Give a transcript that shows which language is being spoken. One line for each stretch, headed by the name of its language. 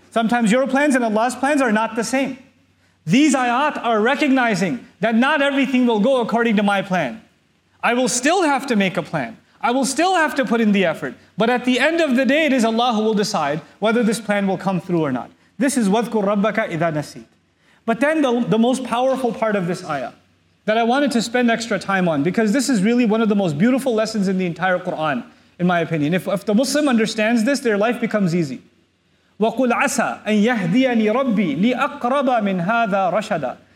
English: Sometimes your plans and Allah's plans are not the same. These ayat are recognizing that not everything will go according to my plan. I will still have to make a plan. I will still have to put in the effort. But at the end of the day, it is Allah who will decide whether this plan will come through or not. This is
Arabic: وَذْكُرْ رَبَّكَ إِذَا نَسِيتْ.
English: But then the most powerful part of this ayah that I wanted to spend extra time on, because this is really one of the most beautiful lessons in the entire Quran, in my opinion. If the Muslim understands this, their life becomes easy.
Arabic: وَقُلْ عَسَىٰ أَن يَهْدِيَنِي رَبِّي لِأَقْرَبَ مِنْ هَذَا رَشَدًا.